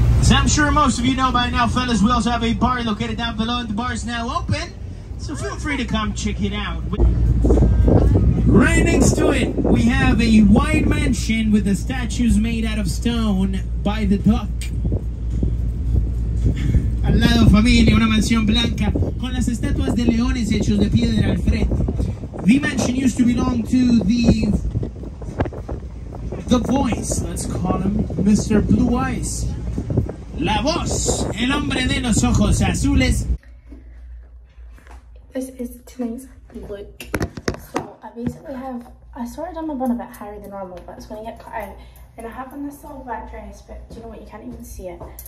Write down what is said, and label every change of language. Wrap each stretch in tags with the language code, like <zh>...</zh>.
<en>I'm sure most of you know by now, fellas, we also have a bar located down below, and the bar is now open, so feel free to come check it out. Right next to it, we have a white mansion with the statues made out of stone by the dock.</en> <es>Al lado, familia, una mansión blanca con las estatuas de leones hechos de piedra al frente.</es> <en>The mansion used to belong to the voice, let's call him Mr. Blue Eyes.</en> <es>La voz, el hombre de los ojos azules.</es> <en>This is tonight's look. So I basically have, I sort of done my bun a bit higher than normal, but it's going to get cut out. And I have on this little black dress, but do you know what? You can't even see it.</en>